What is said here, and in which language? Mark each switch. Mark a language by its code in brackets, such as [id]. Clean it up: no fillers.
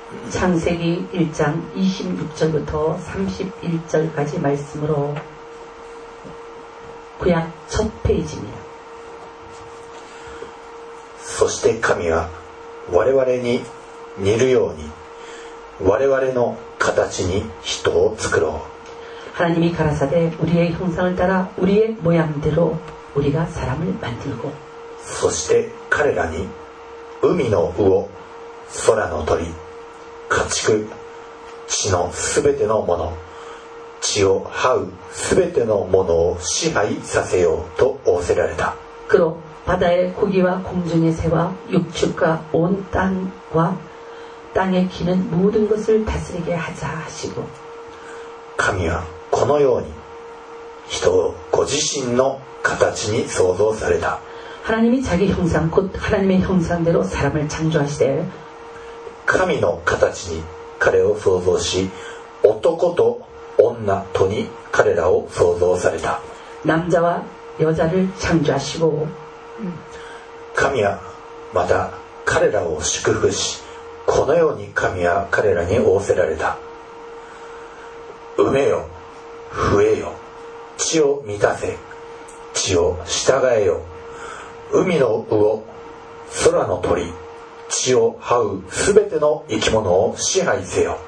[ko] 창세기1장26절부터31절까지말씀으로구약첫페이지입니다 [ja] そして神は我々に似るように我々の形に人を作ろう [ko] 하나님이가라사대우리의형상을따라우리의모양대로우리가사람을만들고 [ja] そして彼らに海の魚空の鳥家畜地のすべてのもの血を這うすべてのものを支配させようと仰せられた [ko] 그로바다의고기와공중의새와육축과온땅과땅에기는모든것을다스리게하자하시고 [ja] 神はこのように人をご自身の形に創造された [ko] 하나님이자기형상곧하나님의형상대로사람을창조하시되 [ja] 神の形に彼を創造し男と女とに彼らを創造された [ko] 남자와여자를창조하시고 [ja] 神はまた彼らを祝福しこのように神は彼らに仰せられた産めよ増えよ地を満たせ地を従えよ海の魚空の鳥地を這うすべての生き物を支配せよ